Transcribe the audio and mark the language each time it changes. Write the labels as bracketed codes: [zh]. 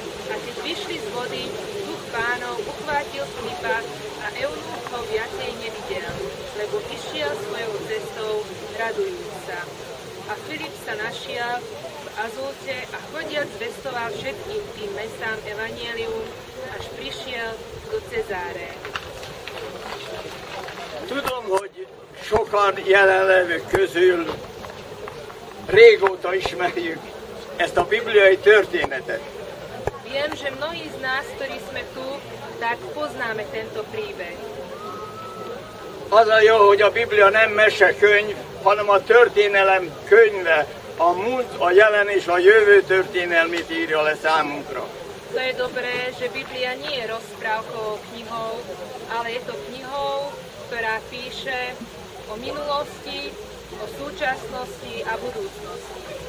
[sk] A keď vyšli z vody, Duch Pánov uchvátil Filipa a Eunuch ho viacej nevidel, lebo išiel svojou cestou radujúc sa. A Filip sa našiel v Azúte a chodiac zvestoval všetkým tým mestám evanjelium, až prišiel do Cezáre. [hu] Tudom, hogy sokan jelenlevők közül régóta ismerjük ezt a bibliai történetet. [sk] Viem, že mnohí z nás, ktorí sme tu, tak poznáme tento príbeh. [hu] Az a jó, hogy a Biblia nem mesekönyv, hanem a történelem könyve, a múlt, a jelen és a jövő történelmét írja le számunkra. [sk] To je dobré, že Biblia nie je rozprávkou knihou, ale je to knihou, ktorá píše o minulosti, o súčasnosti a budúcnosti.